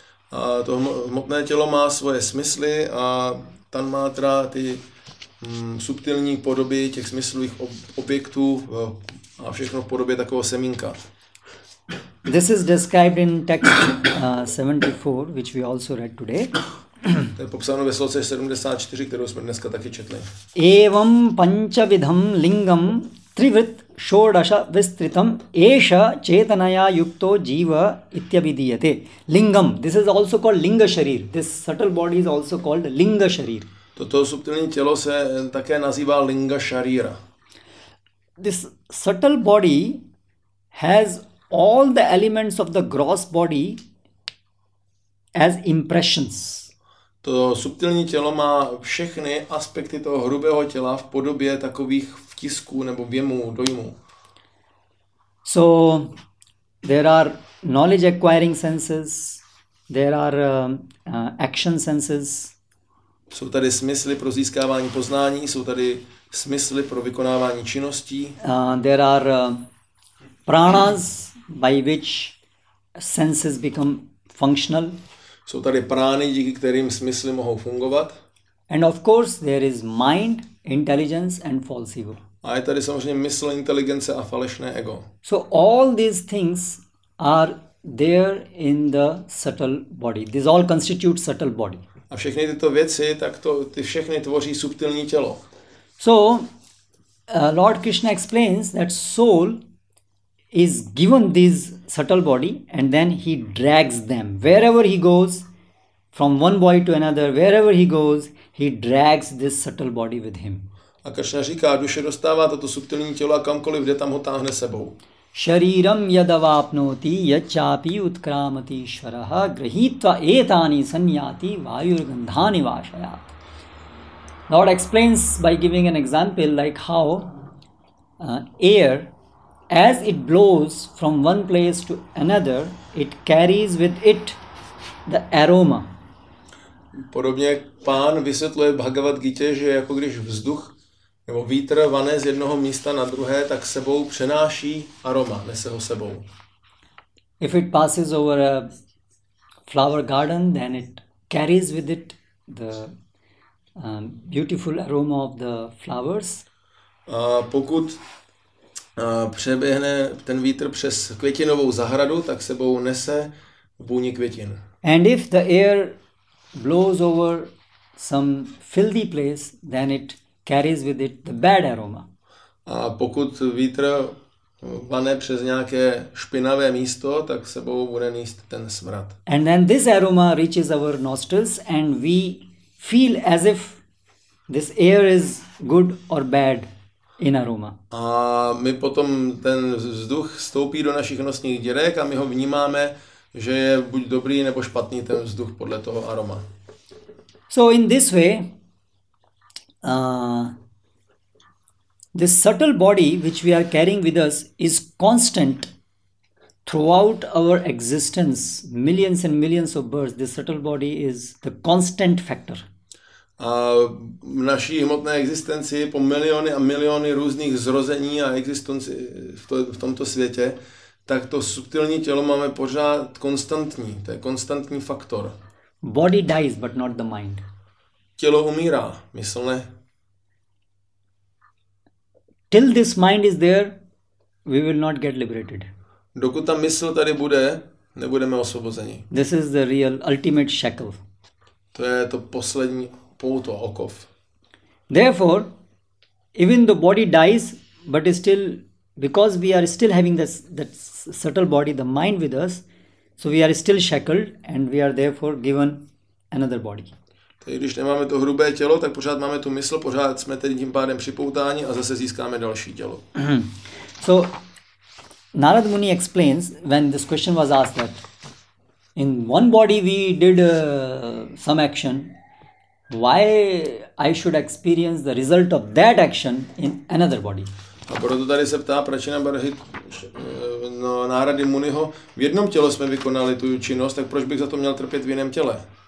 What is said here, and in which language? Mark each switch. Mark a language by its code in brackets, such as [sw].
[cs] A to hmotné tělo má svoje smysly a tanmatra, ty subtilní podoby těch smyslových objektů, a všechno v podobě takového semínka. [en] This is described in text 74, which we also read today. [cs] To je popsáno ve sloce 74, kterou jsme dneska taky četli. [sa] Evam pancavidham lingam trivrit षोडश विस्तृतम एष चेतनया युक्तो जीव इत्यभिधीयते लिंगम [en] this is also called linga sharira this subtle body is also called linga sharira [cs] toto subtilní tělo se také nazývá linga sharira. [en] This subtle body has all the elements of the gross body as impressions. [cs] To subtilní tělo má všechny aspekty toho hrubého těla v podobě takových vtisků nebo věmů, dojmů. [en] So there are knowledge acquiring senses, there are action senses. [cs] Jsou tady smysly pro získávání poznání, jsou tady smysly pro vykonávání činností. [en] There are pranas by which senses become functional. [cs] Jsou tady prány, díky kterým smysly mohou fungovat. [en] And of course there is mind, intelligence and false ego. [cs] A je tady samozřejmě mysl, inteligence a falešné ego. [en] So all these things are there in the subtle body. These all constitute subtle body. [cs] A všechny tyto věci, tak to ty všechny tvoří subtilní tělo. [en] So Lord Krishna explains that soul is given this subtle body and then he drags them wherever he goes from one body to another, wherever he goes, he drags this subtle body with him. [cs] A Krishna říká, duše dostává toto subtilní tělo a kamkoliv jde, tam ho táhne sebou. [sa] Shariram yadavapnoti yachapi utkramati swaraha grahitva etani sanyati vayurgandhani vashayat. [en] Lord explains by giving an example like how air, as it blows from one place to another, it carries with it the aroma. [cs] Podobně pán vysvětluje Bhagavad Gita, že jako když vzduch nebo vítr vane z jednoho místa na druhé, tak sebou přenáší aroma, nese ho sebou. [en] If it passes over a flower garden, then it carries with it the beautiful aroma of the flowers. [cs] Pokud přeběhne ten vítr přes květinovou zahradu, tak sebou nese vůni květin. [en] And if the air blows over some filthy place, then it carries with it the bad aroma. [cs] A pokud vítr vane přes nějaké špinavé místo, tak sebou bude nést ten smrad. [en] And then this aroma reaches our nostrils and we feel as if this air is good or bad in aroma. [cs] A my potom ten vzduch stoupí do našich nosních děrek a my ho vnímáme, že je buď dobrý nebo špatný ten vzduch podle toho aroma. [en] So in this way, this subtle body which we are carrying with us is constant throughout our existence, millions and millions of births. This subtle body is the constant factor. [cs] A v naší hmotné existenci po miliony a miliony různých zrození a existenci v tomto světě, tak to subtilní tělo máme pořád konstantní. To je konstantní faktor. [en] Body dies, but not the mind. [cs] Tělo umírá, mysl ne. [en] Till this mind is there, we will not get liberated. [cs] Dokud ta mysl tady bude, nebudeme osvobozeni. [en] This is the real ultimate shackle. [cs] To je to poslední pouto, okov. [en] Therefore, even the body dies, but is still, because we are still having this that subtle body, the mind with us, so we are still shackled and we are therefore given another body. [cs] Tedy když nemáme to hrubé tělo, tak pořád máme tu mysl, pořád jsme tedy tím pádem připoutáni a zase získáme další tělo. [en] So Narad Muni explains when this question was asked that in one body we did some action, why I should experience the result of that action in another body. [cs] A proto tady se ptá Pračina Barhy, no, Narady Muniho, v jednom těle jsme vykonali tu činnost, tak proč bych za to měl trpět v jiném těle?